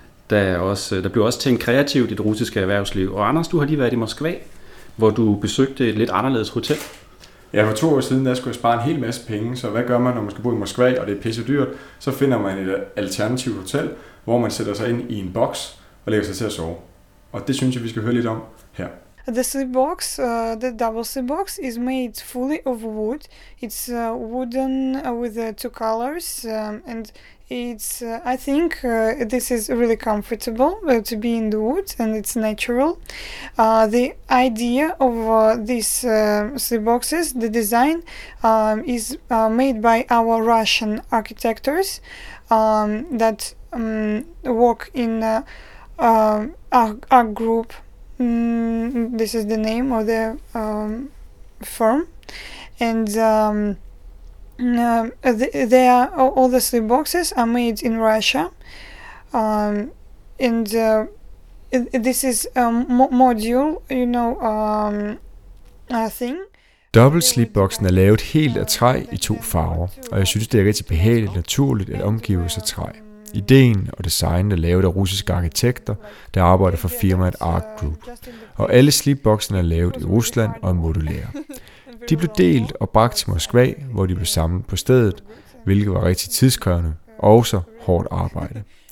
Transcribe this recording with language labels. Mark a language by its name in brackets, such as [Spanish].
[Danish] Der blev også tænkt kreativt i det russiske erhvervsliv. Og Anders, du har lige været i Moskva, hvor du besøgte et lidt anderledes hotel. Ja, for 2 år siden, der skulle jeg spare en hel masse penge. Så hvad gør man, når man skal bo i Moskva, og det er pisse dyrt? Så finder man et alternativt hotel, hvor man sætter sig ind i en boks og lægger sig til at sove. Og det synes jeg, vi skal høre lidt om her. [English] The sleep box, the double sleep box, is made fully of wood. It's wooden with 2 colors, and it's. I think this is really comfortable to be in the wood, and it's natural. The idea of these sleep boxes, the design, is made by our Russian architects that work in our group. This is the name of the firm, and they are all the sleep boxes are made in Russia, and this is a module, you know, a thing. [Danish] Double sleepboxen er lavet helt af træ i 2 farver, og jeg synes, det er rigtig behageligt og naturligt at omgive sig af træ. Ideen og designet er lavet af russiske arkitekter, der arbejder for firmaet Ark Group. Og alle sleepboxene er lavet i Rusland og er modulære. De blev delt og bragt til Moskva, hvor de blev samlet på stedet, hvilket var rigtig tidskrævende og så hårdt arbejde.